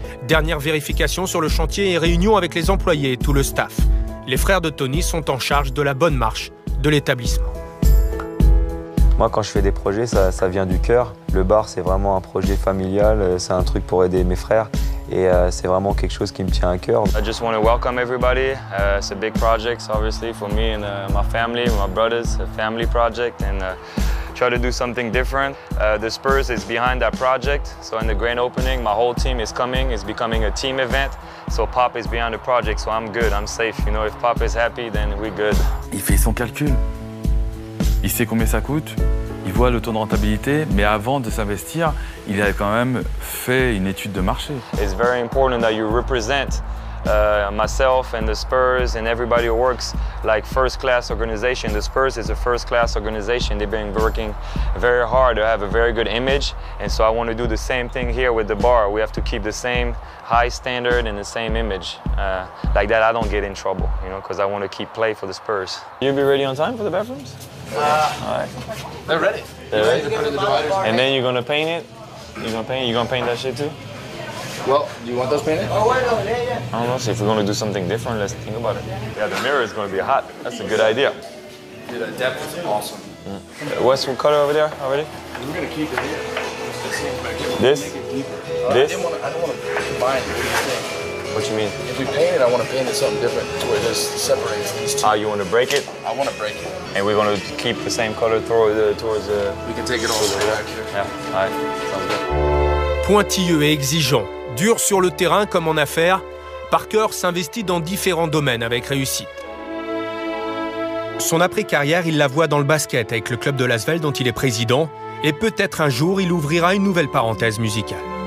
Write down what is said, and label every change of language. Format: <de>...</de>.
<fr>Dernière vérification sur le chantier et réunion avec les employés et tout le staff. Les frères de Tony sont en charge de la bonne marche de l'établissement. Moi, quand je fais des projets, ça vient du cœur. Le bar, c'est vraiment un projet familial. C'est un truc pour aider mes frères. Et c'est vraiment quelque chose qui me tient à cœur.</fr> <en>I just want to welcome everybody. It's a big project, obviously, for me and my family, my brothers. A family project. And try to do something different. The Spurs is behind that project. So in the grand opening, my whole team is coming. It's becoming a team event. So Pop is behind the project. So I'm good, I'm safe. You know, if Pop is happy, then we're good.</en> <fr>Il fait son calcul. Il sait combien ça coûte, il voit le taux de rentabilité, mais avant de s'investir, il a quand même fait une étude de marché.</fr> <en>It's very important that you represent myself and the Spurs and everybody who works like first-class organization. The Spurs is a first-class organization. They've been working very hard to have a very good image. And so I want to do the same thing here with the bar. We have to keep the same high standard and the same image. Like that, I don't get in trouble, you know, because I want to keep play for the Spurs. You'll be ready on time for the bathrooms? All right. They're ready. They're ready? And then you're going to paint it? You're going to paint that shit too? Well, do you want those painted? Oh, wait, no, yeah. I don't know. So if we're going to do something different, let's think about it. Yeah, the mirror is going to be hot. That's a good idea. Dude, that depth is awesome. Mm. What's the color over there already? We're going to keep it here. This? This? I don't want to combine it. What you mean? If we paint it, I want to paint it something different to where it just separates these two. You want to break it? I want to break it. And we're going to keep the same color towards the... We can take it all the way back here. Yeah, all right. Sounds good.</en> <fr>Pointilleux et exigeant, dur sur le terrain comme en affaires, Parker s'investit dans différents domaines avec réussite. Son après-carrière, il la voit dans le basket avec le club de l'ASVEL dont il est président, et peut-être un jour, il ouvrira une nouvelle parenthèse musicale.</fr>